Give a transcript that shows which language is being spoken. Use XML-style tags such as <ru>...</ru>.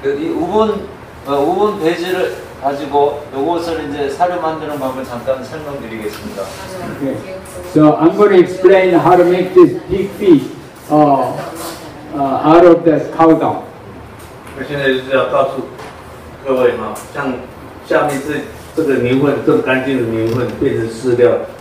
<ko>우분 우분 배지를 가지고 이것을 이제 사료 만드는 방법 잠깐 설명드리겠습니다.</ko> <en>So I'm going to explain how to make this pig feed out of the cow dung.</en> <zh>我现在就是要告诉各位嘛，像下面这个牛粪更干净的牛粪变成饲料。</zh>